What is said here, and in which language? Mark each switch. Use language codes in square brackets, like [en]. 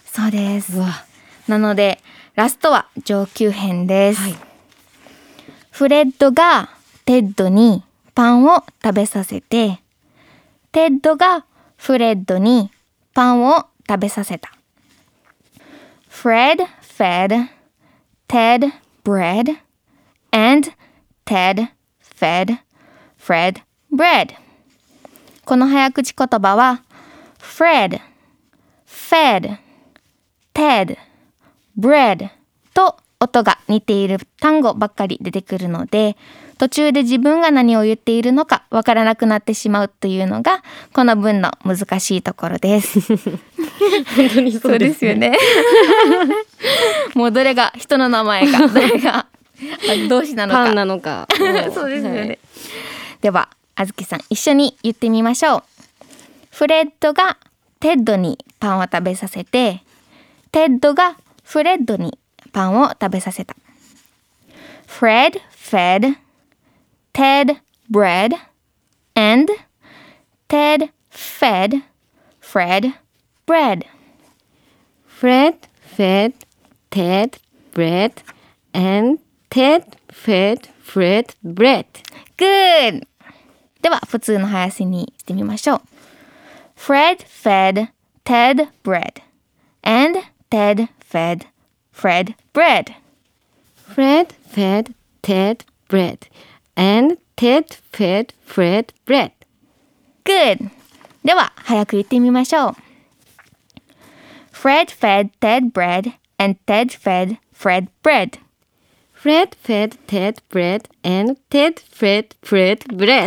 [ja] そうです。うわ、なのでラストは上級編です。はい、フレッドがテッドにパンを食べさせて、テッドがフレッドにパンを食べさせた。 [en] Fred fed Ted bread and Ted fedFred, bread. [ja] この早口言葉は [en] Fred, fed, Ted, bread [ja] と音が似ている単語ばっかり出てくるので、途中で自分が何を言っているのかわからなくなってしまうというのがこの文の難しいところです。本当にそうですよね。もうどれが人の名前か、どれが動詞なのか、パンなのか。そうですよね。では、あずきさん、一緒に言ってみましょう。フレッドがテッドにパンを食べさせて、テッドがフレッドにパンを食べさせた。 [en] Fred fed Ted bread and Ted fed Fred bread. Fred fed Ted bread and Ted fed Fred bread. Good! [ja] では普通の早瀬にしてみましょう。 [en] Fred fed Ted bread and Ted fed Fred bread. Fred fed Ted bread and Ted fed Fred bread. Good! [ja] では早く言ってみましょう。 [en] Fred fed Ted bread and Ted fed Fred bread. Fred, Fed, Ted, Bread, and Ted, Fred, Fred, Bread.